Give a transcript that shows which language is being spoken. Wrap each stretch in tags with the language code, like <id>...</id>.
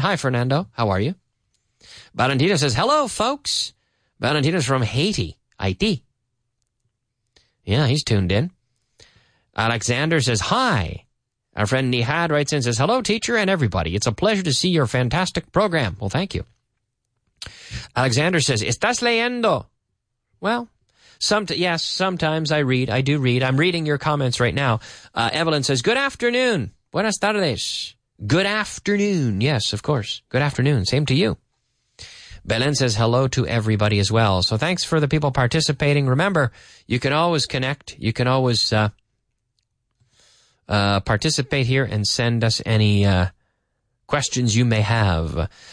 <en>Hi, Fernando. How are you? Valentino says, hello, folks. Valentino's from Haiti, Haiti. Yeah, he's tuned in. Alexander says, hi. Our friend Nihad writes in and says, hello, teacher and everybody. It's a pleasure to see your fantastic program. Well, thank you. Alexander says,</en> <es>¿estás leyendo?</es> <en>Well, sometimes I read. I do read. I'm reading your comments right now. Evelyn says, good afternoon.</en> <es>Buenas tardes.</es> <en>Good afternoon. Yes, of course. Good afternoon. Same to you. Belen says hello to everybody as well. So thanks for the people participating. Remember, you can always connect. You can always participate here and send us any questions you may have.</en>